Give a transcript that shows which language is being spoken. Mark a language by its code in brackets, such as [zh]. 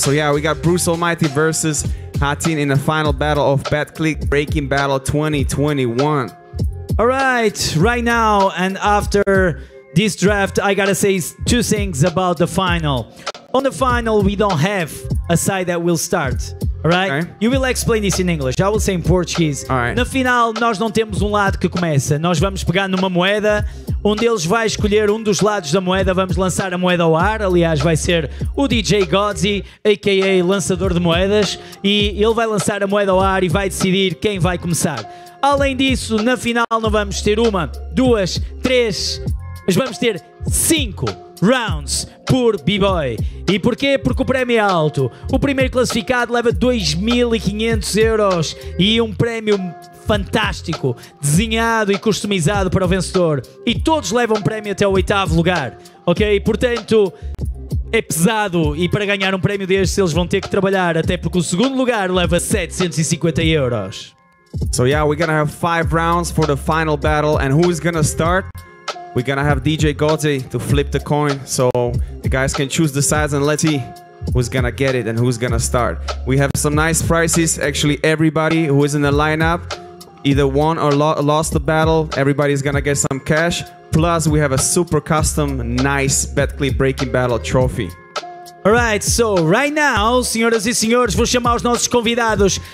[en] So, yeah, we got Bruce Almighty versus Radin in the final battle of Betclic Breaking Battle 2021. All right. Right now and after this draft, I got to say two things about the final. On the final, we don't have a side that will start. All right? Okay. You will explain this in English. I will say in Portuguese. All right. [pt] No final, nós não temos lado que começa. Nós vamos pegar numa moeda... onde eles vão escolher um dos lados da moeda, vamos lançar a moeda ao ar, aliás, vai ser o DJ Godzi, a.k.a. lançador de moedas, e ele vai lançar a moeda ao ar e vai decidir quem vai começar. Além disso, na final não vamos ter uma, duas, três, mas vamos ter cinco rounds por B-Boy. E porquê? Porque o prémio é alto. O primeiro classificado leva 2.500€ e um prémio... fantástico, desenhado e customizado para o vencedor. E todos levam um prémio até o oitavo lugar. Ok? Portanto, é pesado. E para ganhar um prémio destes, eles vão ter que trabalhar, até porque o segundo lugar leva 750€. [en] So yeah, we're gonna have five rounds for the final battle. And who is gonna start? We're gonna have DJ Godzi to flip the coin. So the guys can choose the sides and let's see who's gonna get it and who's gonna start. We have some nice prizes. Actually, everybody who is in the lineup either won or lost the battle, everybody's gonna get some cash. Plus, we have a super custom, nice Betclic Breaking Battle trophy. Alright, so right now, [pt] senhoras e senhores, vou chamar os nossos convidados.